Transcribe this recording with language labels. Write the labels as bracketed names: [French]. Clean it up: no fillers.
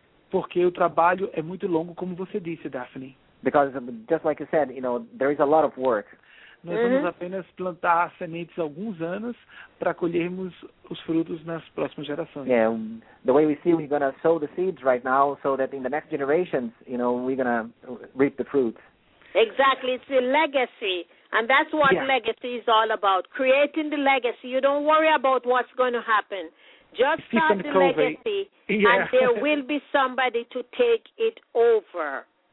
[Portuguese] Porque o trabalho é muito longo, como você disse, Daphne. [English] Because, just like you said, you know, there is a lot of work. [Portuguese] Nós vamos apenas plantar sementes alguns anos para colhermos os frutos nas próximas gerações. [English] Yeah, the way we see, we're going to sow the seeds right now so that in the next generations, you know, we're going to reap the fruits. Exactly. It's a legacy. And that's what legacy is all about, creating the legacy. You don't worry about what's going to happen. Just start the legacy, and there will be somebody to take it over.